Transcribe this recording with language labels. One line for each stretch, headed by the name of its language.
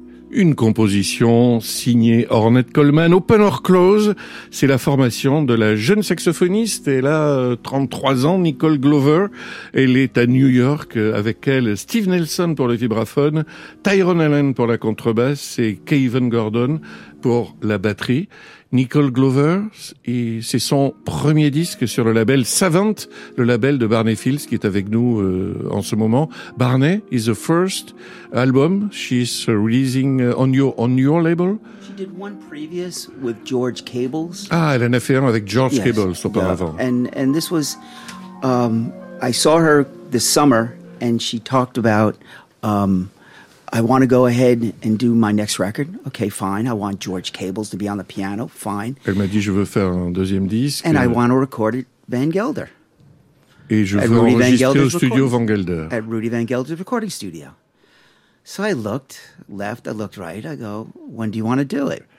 French: Une composition signée Ornette Coleman, Open or Close, c'est la formation de la jeune saxophoniste, elle a 33 ans, Nicole Glover, elle est à New York, avec elle Steve Nelson pour le vibraphone, Tyrone Allen pour la contrebasse et Kevin Gordon pour la batterie. Nicole Glover, et c'est son premier disque sur le label Savant, le label de Barney Fields qui est avec nous en ce moment.
English: Barney is the first album she's releasing on your label. She did one previous with George Cables.
French: Ah, elle en a fait un avec George
English: yes.
French: Cables auparavant.
English: Yeah. And this was, I saw her this summer and she talked about, I want to go ahead and do my next record. Okay, fine. I want George Cables to be on the piano. Fine.
French: Elle m'a dit, je veux faire un deuxième disque.
English: And I want to record it Van Gelder.
French: Et je veux enregistrer au studio Van Gelder.
English: At Rudy Van Gelder's recording studio. So I looked left, I looked right. I go, when do you want to do it?